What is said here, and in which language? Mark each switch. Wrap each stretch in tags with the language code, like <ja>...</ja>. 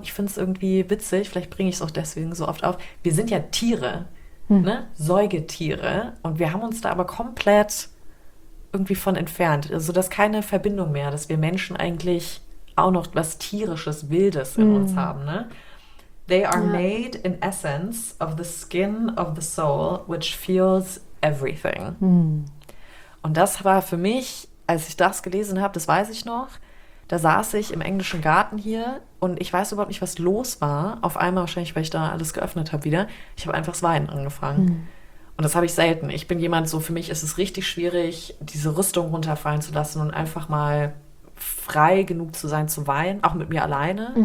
<de>Ich finde es irgendwie witzig. Vielleicht bringe ich es auch deswegen so oft auf. Wir sind ja Tiere, ne? Säugetiere. Und wir haben uns da aber komplett irgendwie von entfernt. Also das ist keine Verbindung mehr, dass wir Menschen eigentlich auch noch was Tierisches, Wildes in uns haben. Ne?</de> <en>"They are made in essence of the skin of the soul, which feels everything."</en> <de>Und das war für mich, als ich das gelesen habe, das weiß ich noch, da saß ich im englischen Garten hier und ich weiß überhaupt nicht, was los war. Auf einmal wahrscheinlich, weil ich da alles geöffnet habe wieder. Ich habe einfach das Weinen angefangen. Und das habe ich selten. Ich bin jemand so, für mich ist es richtig schwierig, diese Rüstung runterfallen zu lassen und einfach mal frei genug zu sein, zu weinen. Auch mit mir alleine. Mhm.</de>